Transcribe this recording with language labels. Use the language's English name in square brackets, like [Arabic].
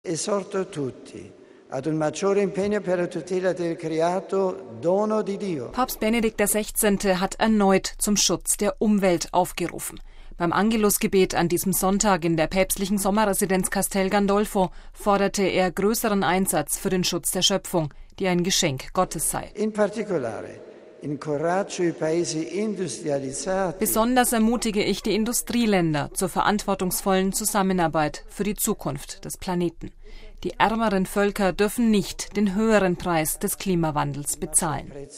[Italian] Esorto tutti ad un maggiore impegno per la tutela del creato, dono di Dio. [German] Papst Benedikt XVI. Hat erneut zum Schutz der Umwelt aufgerufen. Beim Angelusgebet an diesem Sonntag in der päpstlichen Sommerresidenz Castel Gandolfo forderte er größeren Einsatz für den Schutz der Schöpfung, die ein Geschenk Gottes sei. [Italian] In particolare, incoraggio i paesi industrializzati. [German] Besonders ermutige ich die Industrieländer zur verantwortungsvollen Zusammenarbeit für die Zukunft des Planeten. Die ärmeren Völker dürfen nicht den höheren Preis des Klimawandels bezahlen.